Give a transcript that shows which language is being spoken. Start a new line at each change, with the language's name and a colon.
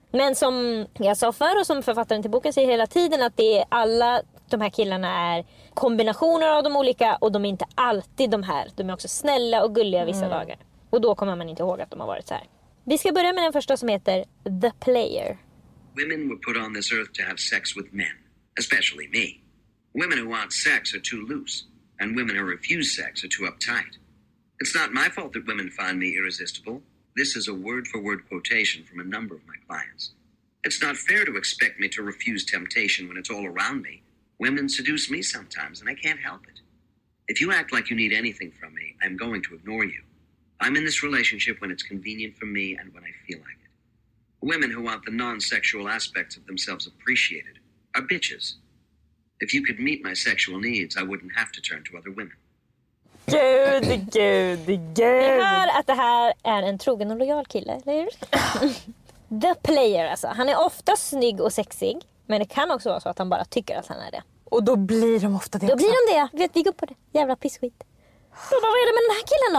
Swedish: Men som jag sa förr och som författaren till boken säger hela tiden, att det är alla de här killarna är kombinationer av de olika. Och de är inte alltid de här. De är också snälla och gulliga vissa dagar. Och då kommer man inte ihåg att de har varit så här. Vi ska börja med den första som heter The Player.
English: Women were put on this earth to have sex with men, especially me. Women who want sex are too loose, and women who refuse sex are too uptight. It's not my fault that women find me irresistible. This is a word-for-word quotation from a number of my clients. It's not fair to expect me to refuse temptation when it's all around me. Women seduce me sometimes, and I can't help it. If you act like you need anything from me, I'm going to ignore you. I'm in this relationship when it's convenient for me and when I feel like it. Women who want the non-sexual aspects of themselves appreciated are bitches. If you could meet my sexual needs, I wouldn't have to turn to other women.
Swedish: Gud, gud, gud. Vi hör att det här är en trogen och lojal kille, eller hur? The Player, alltså. Han är ofta snygg och sexig, men det kan också vara så att han bara tycker att han är det. Och då blir de ofta det också. Då blir de det, vet vi, går på det. Jävla pissskit. Så vad är det med den här killen då?